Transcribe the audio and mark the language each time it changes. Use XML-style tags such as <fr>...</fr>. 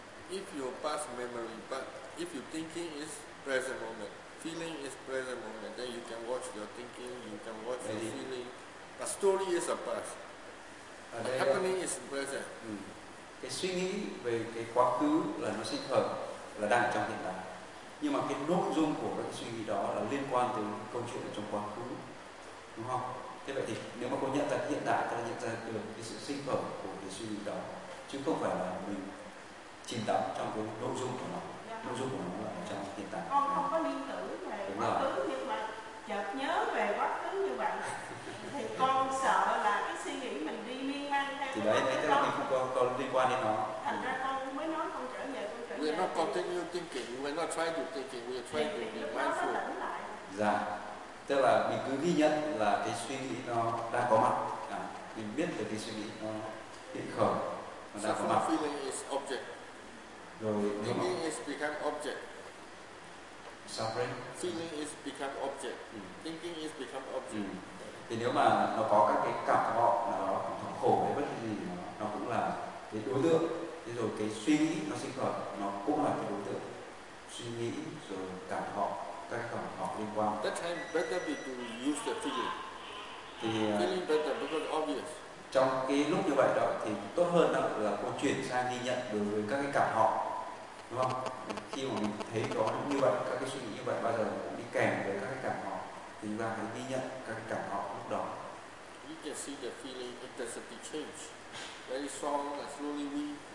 <en>If your past memory, but if your thinking is present moment, feeling is present moment, then you can watch your thinking, you can watch your feeling. The story is a past. The happening is present. Mm.</en> <vi>Cái suy nghĩ về cái quá khứ là nó sinh khởi là đang trong hiện tại, nhưng mà cái nội dung của cái suy nghĩ đó là liên quan tới câu chuyện ở trong quá khứ, đúng không? Thế vậy thì nếu mà có nhận ra hiện tại, ta đã nhận ra được cái sự sinh khởi của cái suy nghĩ đó, chứ không phải là mình chìm đắm trong cái nội dung của nó. Nội dung của nó là trong hiện tại. Con không có liên tưởng về quá khứ, nhưng mà chợt nhớ về quá khứ như vậy thì con sợ là cái suy nghĩ mình đi liên quan theo. Thì đấy, tức là mình không có con liên quan đến nó. Thành ra con mới nói con trở về, con trở về.</vi> <en>We're not continuing thinking, we're not trying to thinking, we're trying to be mindful.</en> <vi>Dạ, tức là mình cứ ghi nhận là cái suy nghĩ nó đang có mặt. Mình biết được cái suy nghĩ nó hiện khởi, nó đang có mặt.</vi> <en>Feeling is object.</en> <vi>Rồi,</vi> <en>thinking is become object. Suffering. Feeling is become object. Thinking is become object.</en> <vi>Thì nếu mà nó có các cái cảm thọ nào đó, cảm thọ khổ hay bất kỳ gì nó cũng là cái đối tượng. Thế rồi cái suy nghĩ nó sinh khởi, nó cũng là cái đối tượng. Suy nghĩ rồi cảm thọ, các cảm thọ liên quan.</vi> <en>That time better be to use the feeling.</en> <vi>Thì</vi> <en>feeling better because obvious.</en> <vi>Trong cái lúc như vậy đó thì tốt hơn là con chuyển sang ghi nhận đối với các cái cảm thọ, đúng không? Khi mà mình thấy có như vậy, các cái suy nghĩ như vậy bao giờ cũng đi kèm với các cái cảm thọ, thì chúng ta hãy ghi nhận các cảm thọ lúc đó.</vi> <en>You can see the feeling intensity change. Very strong and slowly weak.</en>